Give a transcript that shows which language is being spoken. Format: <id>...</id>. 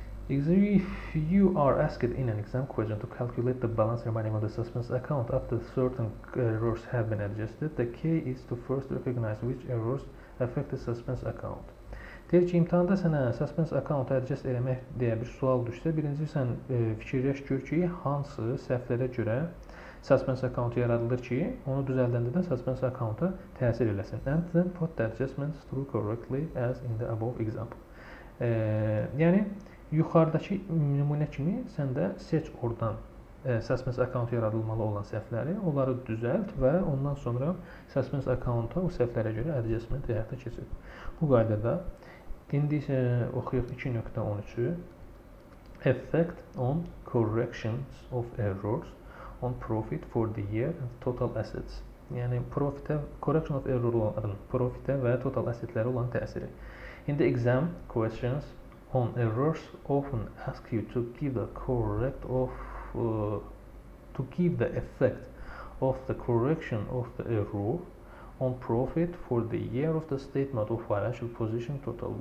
<en>If you are asked in an exam question to calculate the balance remaining on the suspense account after certain errors have been adjusted, the key is to first recognize which errors affect the suspense account.</en> <az>Deyir ki, imtihanda sənə suspense account adjust eləmək deyə bir sual düşsə, birinci sən fikirləş gör ki, hansı səhvlərə görə suspense account yaradılır ki, onu düzəldəndə də suspense account-a təsir eləsin.</az> <en>And then put the adjustments through correctly as in the above example.</en> <az>Yəni, yuxarıdakı nümunə kimi sən də seç oradan suspense account yaradılmalı olan səhvləri, onları düzəlt və ondan sonra suspense account-a o səhvlərə görə adjustment həyata keçir. Bu qaydada İndi isə oxuyuq 2.13-ü.</az> <en>Effect on corrections of errors on profit for the year and total assets.</en> <az>Yəni, profitə, correction of errorların profitə və total assetləri olan təsiri.</az> <en>In the exam questions on errors often ask you to give the correct of to give the effect of the correction of the error on profit for the year of the statement of financial position total.</en>